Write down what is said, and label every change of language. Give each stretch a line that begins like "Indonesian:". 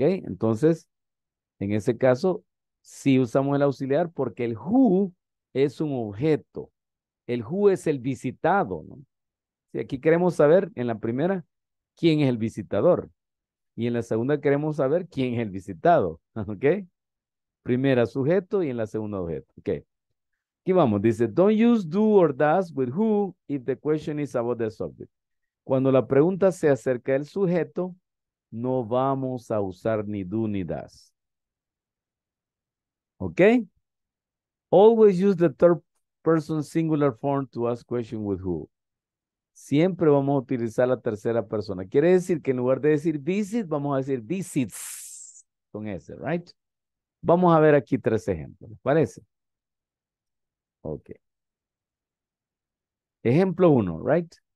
Spanish: Entonces, en ese caso, sí usamos el auxiliar porque el who es un objeto. El who es el visitado, ¿no? Si aquí queremos saber, en la primera, quién es el visitador. Y en la segunda queremos saber quién es el visitado, ¿ok? Primera sujeto y en la segunda objeto, ¿ok? Aquí vamos, dice,
English: don't use do or does with who if the question is about the subject.
Spanish: Cuando la pregunta sea acerca del sujeto, no vamos a usar ni do ni does.
English: ¿Ok? Always use the third person singular form to ask question with who.
Spanish: Siempre vamos a utilizar la tercera persona. Quiere decir que en lugar de decir visit, vamos a decir visits con S, right? Vamos a ver aquí tres ejemplos, ¿les parece?
English: Ok.
Spanish: Ejemplo uno, right?